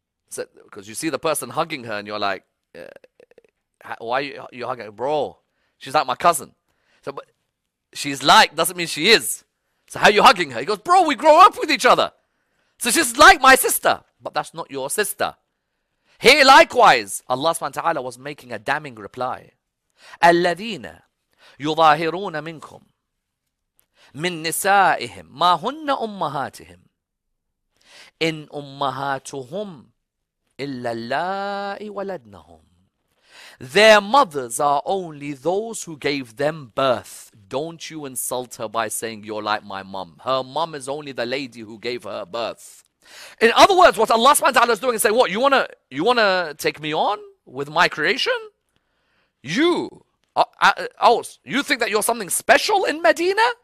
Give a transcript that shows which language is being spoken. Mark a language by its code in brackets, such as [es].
[en] So, because you see the person hugging her and you're like, why are you hugging her? Bro, she's like my cousin. So, but she's like, doesn't mean she is. So how are you hugging her? He goes, bro, we grow up with each other. So she's like my sister. But that's not your sister. Here likewise, Allah subhanahu wa ta'ala was making a damning reply. [ar] الَّذِينَ يُظَاهِرُونَ مِنْكُمْ مِنْ نِسَائِهِمْ مَا هُنَّ أُمَّهَاتِهِمْ إِنْ أُمَّهَاتُهُمْ إِلَّا اللَّهِ وَلَدْنَهُمْ [en] Their mothers are only those who gave them birth. Don't you insult her by saying you're like my mom. Her mom is only the lady who gave her birth. In other words, what Allah subhanahu wa ta'ala is doing is saying, what, you wanna take me on with my creation? You think that you're something special in Medina?